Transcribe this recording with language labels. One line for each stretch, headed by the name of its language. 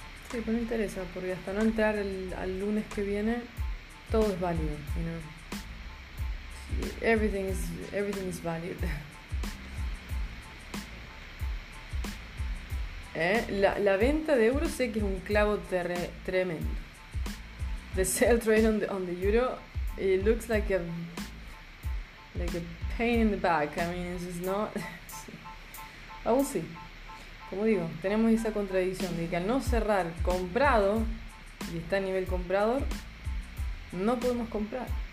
Spanish: Sí, pues me interesa, porque hasta no entrar al lunes que viene, todo es válido.
English: You know? Everything is valid.
Spanish: La venta de euros sé que es un clavo tremendo.
English: The sell trade on the euro, it looks like a pain in the back. I mean, it's just not. I will see.
Spanish: Como digo, tenemos esa contradicción de que al no cerrar comprado y está a nivel comprador, no podemos comprar.